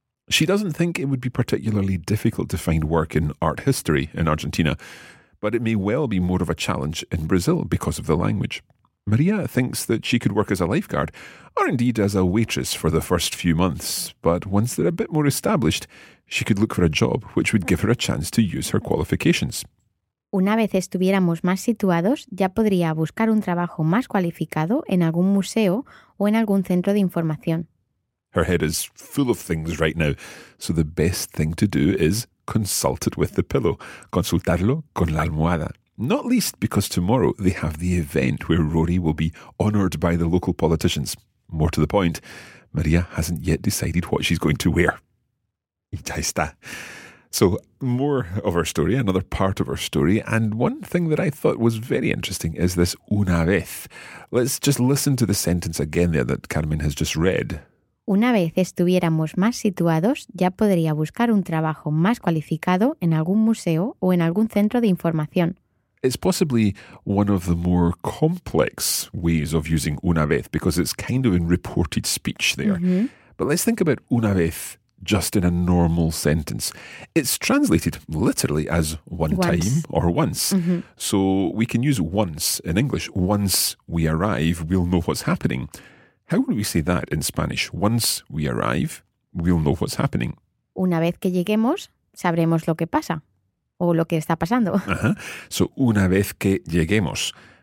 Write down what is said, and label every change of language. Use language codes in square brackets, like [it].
[en] She doesn't think it would be particularly difficult to find work in art history in Argentina, but it may well be more of a challenge in Brazil because of the language. Maria thinks that she could work as a lifeguard, or indeed as a waitress for the first few months, but once they're a bit more established, she could look for a job which would give her a chance to use her qualifications. [es] una vez estuviéramos más situados, ya podría buscar un trabajo más cualificado en algún museo o en algún centro de información. [en] Her head is full of things right now, so the best thing to do is consult it with the pillow, [es] consultarlo con la almohada. [en] Not least because tomorrow they have the event where Rory will be honoured by the local politicians. More to the point, Maria hasn't yet decided what she's going to wear. [es] Ya está. [en] So, more of our story, another part of our story, and one thing that I thought was very interesting is this una vez. Let's just listen to the sentence again there that Carmen has just read. [es] Una vez estuviéramos más situados, ya podría buscar un trabajo más cualificado en algún museo o en algún centro de información. [en] It's possibly one of the more complex ways of using una vez because it's kind of in reported speech there. Mm-hmm. But let's think about una vez just in a normal sentence. It's translated literally as one time or once. Mm-hmm. So we can use once in English. Once we arrive, we'll know what's happening. How would we say that in Spanish? Once we arrive, we'll know what's happening. [es] Una vez que lleguemos, sabremos lo que pasa. O lo que está pasando. Uh-huh. [en] So, [es] una vez que lleguemos.